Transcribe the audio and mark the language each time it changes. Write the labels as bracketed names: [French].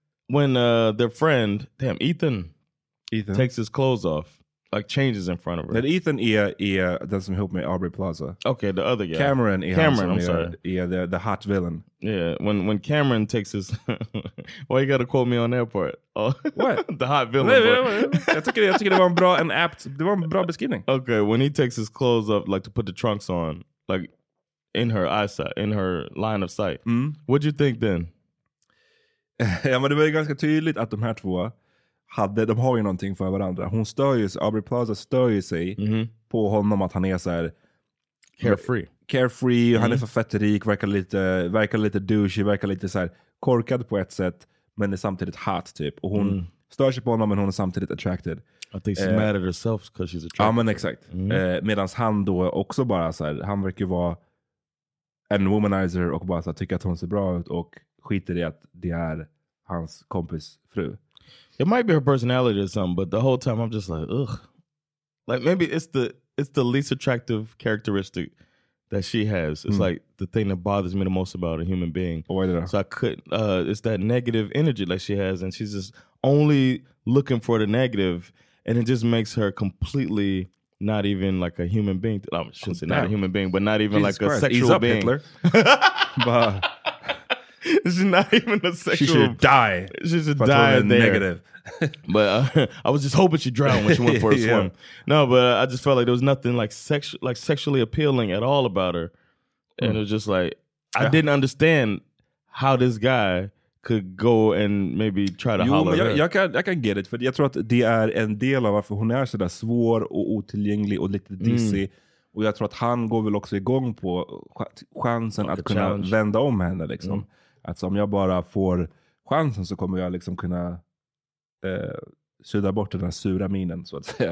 [English] When their friend, damn, Ethan takes his clothes off, like changes in front of her. [Swedish] That Ethan är den som [English] helped me [Swedish] Aubrey Plaza. [English] Okay, the other guy. Cameron, I'm sorry. Yeah, the hot villain. Yeah, when Cameron takes his why you got to quote me on that part? Oh, what? The hot villain. I took it [Swedish] det var en bra beskrivning. [English] Okay, when he takes his clothes off, like to put the trunks on, like in her eyesight, in her line of sight. Mm. What'd you think then? [Swedish] Ja, men det var ju ganska tydligt att de här två de har ju någonting för varandra. Hon stör ju sig, Aubrey Plaza stör ju sig på honom att han är så här [English] carefree, [Swedish] han är för fett rik, verkar lite douchey, verkar lite så här korkad på ett sätt, men är samtidigt hot typ. Och hon stör sig på honom, men hon är samtidigt [English] attracted. I think she's mad at herself because she's attracted. [Swedish] Ja, men exakt. Medans han då också bara så här, han verkar vara en womanizer och bara så här, tycker att hon ser bra ut och skiter i att det är hans kompis fru. [English] It might be her personality or something, but the whole time I'm just like, ugh. Like, maybe it's the least attractive characteristic that she has. It's like the thing that bothers me the most about a human being. Why did I? So I couldn't, it's that negative energy that she has, and she's just only looking for the negative, and it just makes her completely not even like a human being. I shouldn't say not a human being, but not even Jesus like Christ. A sexual being. Hitler. She's not even a sexual. She should die. She should die there. Negative. But I was just hoping she drowned when she went for a swim. Yeah. No, but I just felt like there was nothing like sexually appealing at all about her. And it was just like, I didn't understand how this guy could go and maybe try to holler at her. [Swedish] Jag kan [English] get it. [Swedish] För jag tror att det är en del av varför hon är så där svår och otillgänglig och lite dizzy. Mm. Och jag tror att han går väl också igång på chansen att kunna vända om henne. Liksom. Mm. Alltså om jag bara får chansen så kommer jag liksom kunna sudda bort den här sura minen, så att säga.